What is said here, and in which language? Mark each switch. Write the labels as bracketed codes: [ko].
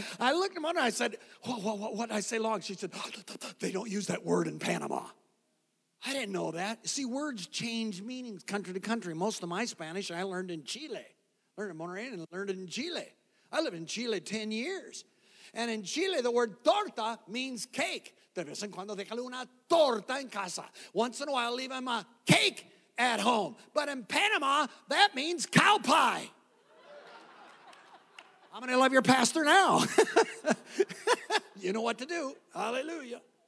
[en] I looked at Monterey. I said, what did I say long? She said, they don't use that word in Panama. I didn't know that. See, words change meanings country to country. Most of my Spanish I learned in Chile. Learned in Monterey and learned it in Chile. I lived in Chile 10 years. And in Chile, the word torta means cake. [es] De vez en cuando, déjale una torta en casa. [en] Once in a while, leave him a cake at home. But in Panama, that means cow pie. How many love your pastor now? You know what to do. Hallelujah.